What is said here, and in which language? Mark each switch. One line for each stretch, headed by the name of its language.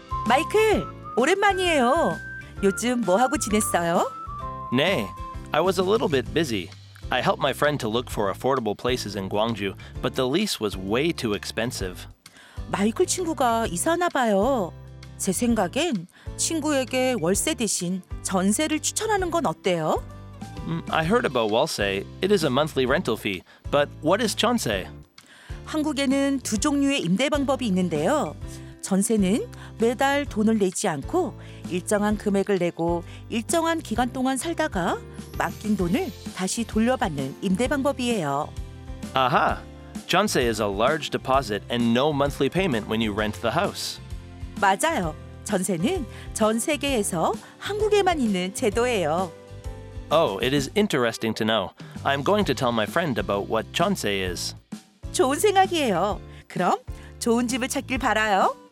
Korean: Michael, 오랜만이에요. 요즘 뭐 하고 지냈어요?
English: Nay, I was a little bit busy. I helped my friend to look for affordable places in Gwangju, but the lease was way too expensive.
Korean: 마이클 친구가 이사나 봐요. 제 생각엔 친구에게 월세 대신 전세를 추천하는 건 어때요?
English: I heard about 월세. It is a monthly rental fee. But what is 전세?
Korean: 한국에는 두 종류의 임대 방법이 있는데요. 전세는 매달 돈을 내지 않고 일정한 금액을 내고 일정한 기간 동안 살다가 맡긴 돈을 다시 돌려받는 임대 방법이에요.
English: Aha! 전세 is a large deposit and no monthly payment when you rent the house.
Korean: 맞아요. 전세는 전 세계에서 한국에만 있는 제도예요.
English: Oh, it is interesting to know. I'm going to tell my friend about what 전세 is.
Korean: 좋은 생각이에요. 그럼 좋은 집을 찾길 바라요.